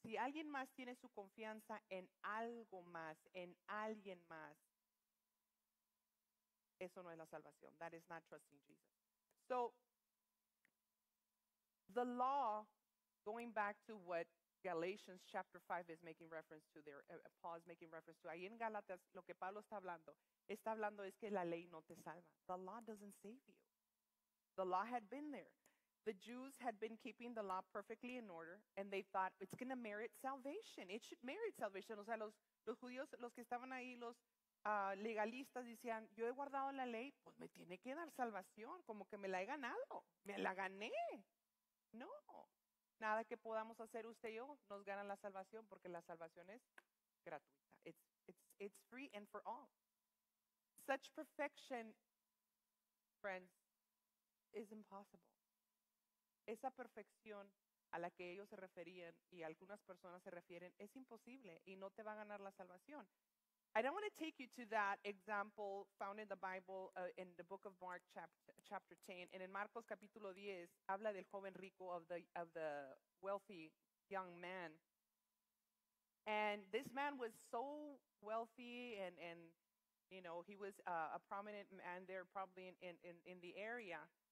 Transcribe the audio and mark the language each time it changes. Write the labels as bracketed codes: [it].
[es] Si alguien más tiene su confianza en algo más, en alguien más, eso no es la salvación. [en] That is not trusting Jesus. So, the law, going back to what Galatians chapter 5 is making reference to there, Paul is making reference to, [es] ahí en Galatas, lo que Pablo está hablando es que la ley no te salva. [en] The law doesn't save you. The law had been there. The Jews had been keeping the law perfectly in order, and they thought it's going to merit salvation. It should merit salvation. [es] O sea, los judíos, los que estaban ahí, los legalistas decían, yo he guardado la ley, pues me tiene que dar salvación, como que me la he ganado, me la gané. No, nada que podamos hacer usted y yo nos gana la salvación porque la salvación es gratuita. [en] It's free and for all. Such perfection, friends, is impossible. [es] Esa perfección a la que ellos se referían y algunas personas se refieren es imposible y no te va a ganar la salvación. [en] I don't want to take you to that example found in the Bible, in the book of Mark, chapter 10. [es] And in Marcos, capítulo 10, habla del joven rico, [en] of the wealthy young man. And this man was so wealthy, and you know, he was a prominent man there, probably in the area.